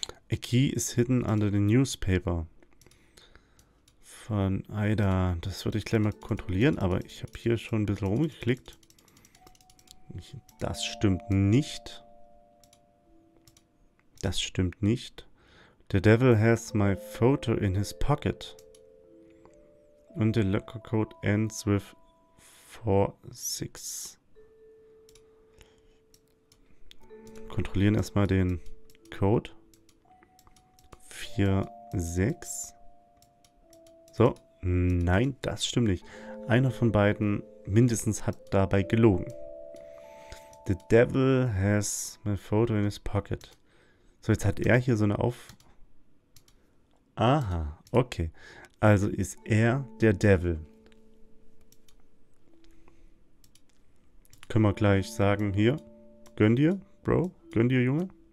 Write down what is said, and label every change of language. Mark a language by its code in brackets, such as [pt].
[en] A key is hidden under the newspaper von Aida. [de] Das würde ich gleich mal kontrollieren, aber ich habe hier schon ein bisschen rumgeklickt. Das stimmt nicht. Das stimmt nicht. [en] The devil has my photo in his pocket. [de] Und der [en] locker code ends with 46. [de] Kontrollieren erstmal den Code. 4, 6. So, nein, das stimmt nicht. Einer von beiden mindestens hat dabei gelogen. [en] The devil has my photo in his pocket. [de] So, jetzt hat er hier so eine Auf... Aha, okay. Also ist er der Devil. Können wir gleich sagen, hier, gönn dir, Bro, gönn dir, Junge.